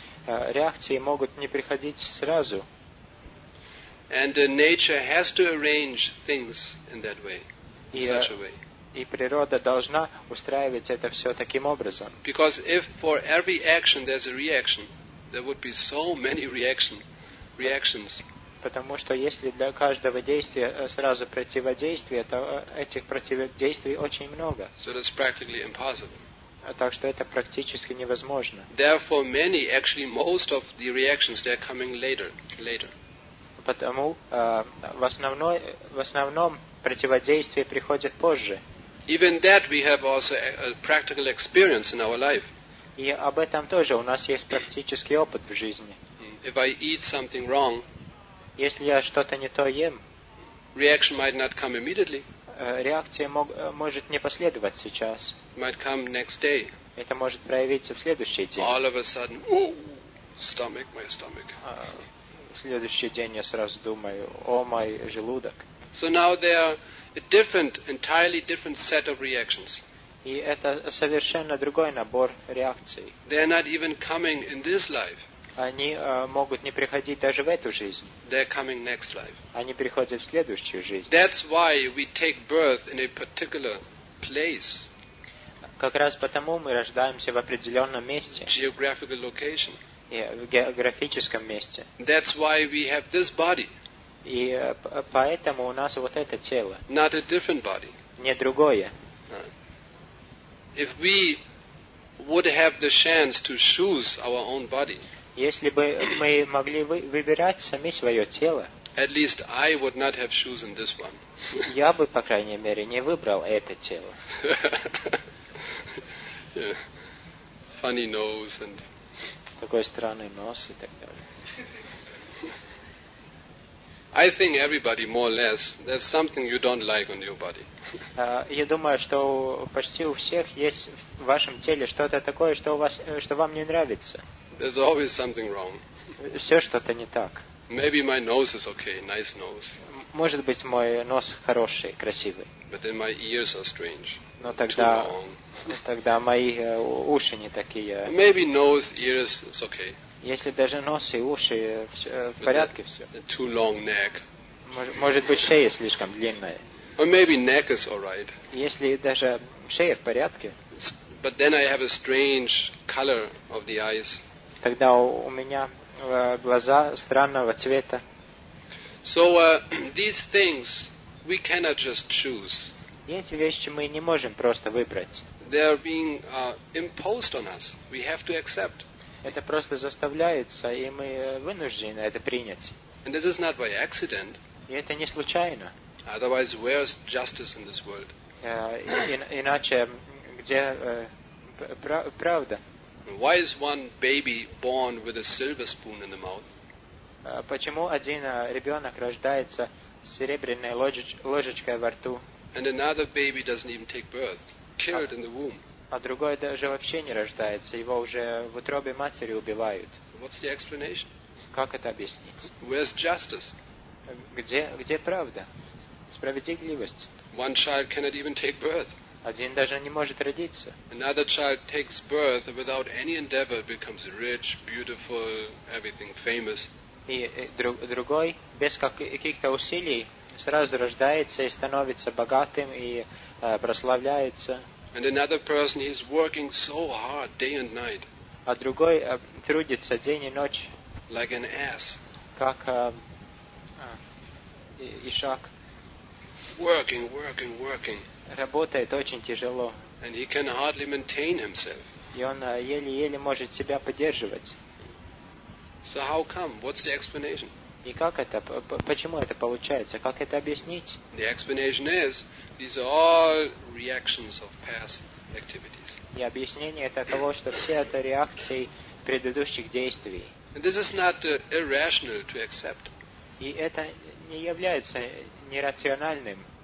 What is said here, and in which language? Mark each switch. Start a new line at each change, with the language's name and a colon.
Russian: Реакции могут не приходить сразу.
English: And nature has to arrange things in that way, in such a way.
Russian: И природа должна устраивать это все таким образом.
English: Because if for every action there's a reaction, there would be so many reactions.
Russian: потому что если для каждого действия сразу противодействие, то этих противодействий очень много.
English: So that's practically impossible.
Russian: Так что это практически невозможно.
English: Therefore, many, actually most of the reactions, they're coming later.
Russian: Потому в основном противодействие приходит позже.
English: Even that we have also a practical experience in our life.
Russian: И об этом тоже у нас есть практический опыт в жизни.
English: If I eat something wrong,
Russian: если я что-то не то ем,
English: reaction might not come immediately.
Russian: Реакция может не последовать сейчас.
English: Might come next day.
Russian: Это может проявиться в следующий день.
English: All of a sudden, my stomach.
Russian: В следующий день я сразу думаю, мой желудок.
English: So now there are a different, entirely different set of reactions.
Russian: И это совершенно другой набор реакций.
English: They are not even coming in this life.
Russian: Они могут не приходить даже в эту жизнь.
English: They're coming next life.
Russian: Они приходят в следующую жизнь.
English: That's why we take birth in a particular place.
Russian: Как раз потому мы рождаемся в определенном месте.
English: Geographical location.
Russian: В географическом месте.
English: That's why we have this body.
Russian: И поэтому у нас вот это тело.
English: Not a different body.
Russian: Не другое.
English: If we would have the chance to choose our own body.
Russian: Если бы мы могли выбирать сами свое тело,
English: at least I would not have chosen this one.
Russian: Я бы, по крайней мере, не выбрал это тело.
English: Yeah. Funny nose and...
Russian: Такой странный нос и так далее.
English: I think everybody, more or less, there's something you don't like on your body.
Russian: Я думаю, что почти у всех есть в вашем теле что-то такое, что вам не нравится.
English: There's always something wrong.
Russian: Все что-то не так.
English: Maybe my nose is okay, nice nose.
Russian: Может быть, мой нос хороший, красивый.
English: But then my ears are strange.
Russian: Но тогда, мои уши не такие.
English: Maybe nose, ears is okay.
Russian: Если даже нос и уши в порядке все.
English: Too long neck.
Russian: Может быть, шея слишком длинная.
English: Or maybe neck is all right.
Russian: Если даже шея в порядке.
English: But then I have a strange color of the eyes.
Russian: Тогда у меня глаза странного цвета.
English: So these things we cannot just choose.
Russian: Эти вещи мы не можем просто выбрать.
English: They are being imposed on us. We have to accept.
Russian: Это просто заставляется, и мы вынуждены это принять.
English: And this is not by accident.
Russian: И это не случайно.
English: Otherwise, where is justice in this world?
Russian: Иначе где правда?
English: Why is one baby born with a silver spoon in the mouth?
Russian: Почему один ребенок рождается с серебряной ложечкой во рту?
English: And another baby doesn't even take birth, killed in the womb.
Russian: А другой даже вообще не рождается, его уже в утробе матери убивают.
English: What's the explanation?
Russian: Как это объяснить?
English: Where's justice?
Russian: Где правда? Справедливость?
English: One child cannot even take birth.
Russian: Один даже не может родиться.
English: Another child takes birth without any endeavor, becomes rich, beautiful, everything famous.
Russian: И другой без каких-то усилий сразу рождается и становится богатым и прославляется.
English: And another person is working so hard day and night.
Russian: А другой трудится день и ночь.
English: Like an ass.
Russian: Как ишак.
English: Working.
Russian: Работает очень тяжело.
English: And he can hardly maintain himself.
Russian: И он еле-еле может себя поддерживать.
English: So how come? What's the explanation?
Russian: И как это? Почему это получается? Как это объяснить?
English: The explanation is, these are all reactions of past activities.
Russian: И объяснение таково, что все это реакции предыдущих действий.
English: And this is not irrational to accept.
Russian: И это не является нерациональным.